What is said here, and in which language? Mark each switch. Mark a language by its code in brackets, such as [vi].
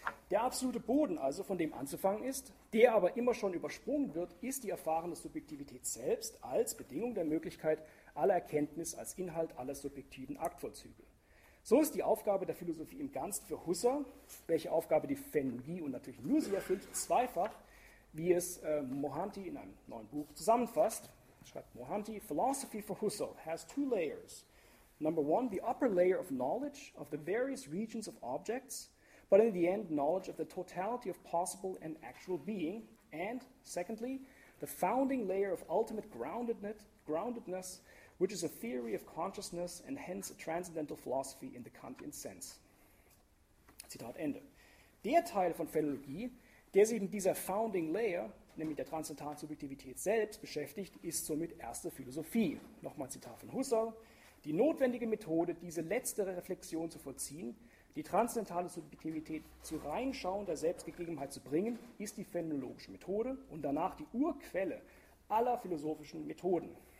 [de] Der absolute Boden also, von dem anzufangen ist, der aber immer schon übersprungen wird, ist die erfahrene Subjektivität selbst als Bedingung der Möglichkeit aller Erkenntnis als Inhalt aller subjektiven Aktvollzüge. So ist die Aufgabe der Philosophie im Ganzen für Husserl, welche Aufgabe die Phänologie und natürlich nur sie erfüllt, zweifach, wie es Mohanty in einem neuen Buch zusammenfasst. Schreibt Mohanty, [en] Philosophy for Husserl has two layers. Number one, the upper layer of knowledge of the various regions of objects, but in the end, knowledge of the totality of possible and actual being. And secondly, the founding layer of ultimate groundedness, which is a theory of consciousness and hence a transcendental philosophy in the Kantian sense. [de] Zitat Ende. Der Teil von Phänologie, der sich mit dieser founding layer, nämlich der transzendentalen Subjektivität selbst, beschäftigt, ist somit erste Philosophie. Nochmal Zitat von Husserl. Die notwendige Methode, diese letztere Reflexion zu vollziehen, die transzendentale Subjektivität zu reinschauen, der Selbstgegebenheit zu bringen, ist die phänomenologische Methode und danach die Urquelle aller philosophischen Methoden.